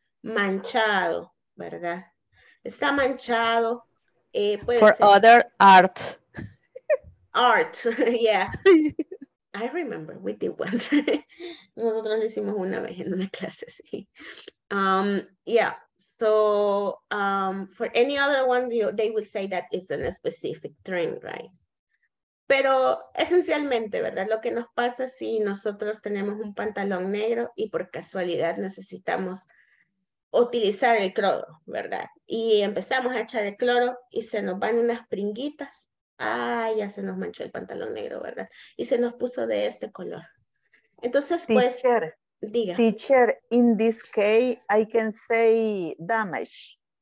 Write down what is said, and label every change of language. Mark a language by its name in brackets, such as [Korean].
[Spanish] Manchado, ¿verdad? Está manchado. Puede [English] For [Spanish] ser. [English] Other art. Art, yeah. I remember, we did once. [Spanish] Nosotros lo hicimos una vez en una clase, sí. [English] Yeah. So for any other one, they will say that it's a specific trend, right? [Spanish] Pero esencialmente, ¿verdad? Lo que nos pasa si nosotros tenemos un pantalón negro y por casualidad necesitamos utilizar el cloro, ¿verdad? Y empezamos a echar el cloro y se nos van unas pringuitas. ¡Ah! Ya se nos manchó el pantalón negro, ¿verdad? Y se nos puso de este color. Entonces, pues, [English] teacher, [Spanish] diga. [English] Teacher, in this case, I can say damage.